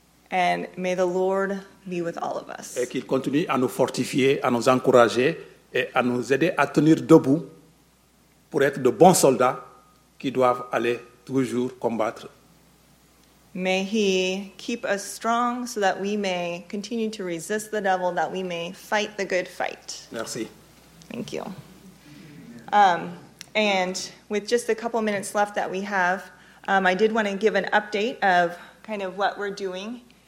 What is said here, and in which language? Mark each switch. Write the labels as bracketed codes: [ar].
[en] And may the Lord be with all of us. [fr] Et qu'il continue à nous fortifier, à nous encourager et à nous aider à tenir debout pour être de bons soldats qui doivent aller toujours combattre. [en] May he keep us strong so that we may continue to resist the devil, that we may fight the good fight. [fr] Merci. [en] Thank you. And with just a couple minutes left that we have, I did want to give an update of kind of what we're doing.